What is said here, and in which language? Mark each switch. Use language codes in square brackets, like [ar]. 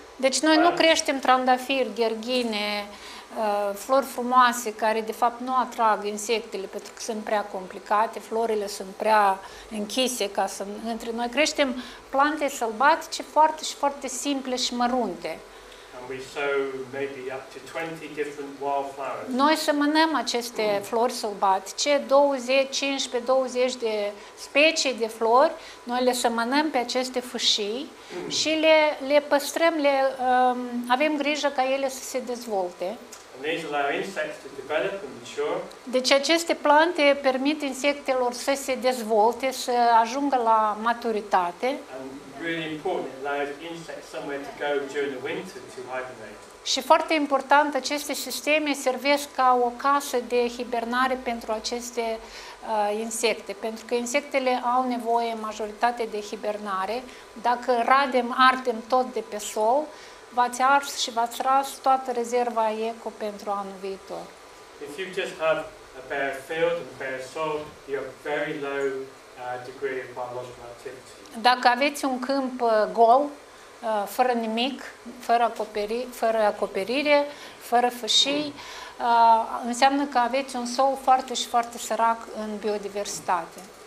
[ro] deci noi nu creștem trandafiri, gherghine, flori frumoase care de fapt nu atrag insectele pentru că sunt prea complicate, florile sunt prea închise ca să intre. Noi creștem plante sălbatice foarte și foarte simple și mărunte. [en] And we sow maybe up to 20 different wildflowers. [ro] Noi semănăm aceste flori sălbatice, 15-20 de specii de flori, noi le semănăm pe aceste fâșii și le păstrăm, avem grijă ca ele să se dezvolte. [en] And these allow insects to develop and mature. [ro] Deci aceste plante permit insectelor să se dezvolte, să ajungă la maturitate. [en] Really important, it allows insects somewhere to go during the winter to hibernate. [ro] Și foarte important, aceste sisteme servesc ca o casă de hibernare pentru aceste insecte, pentru că insectele au nevoie majoritate de hibernare. Dacă ardem tot de pe sol, v-ați ars și v-ați ras toată rezerva eco pentru anul viitor. [en] If you just have a bare field and bare soil, you have very low degree of biological activity. [ro] Dacă aveți un câmp gol, fără nimic, fără acoperire, fără fășii, înseamnă că aveți un sol foarte și foarte sărac în biodiversitate.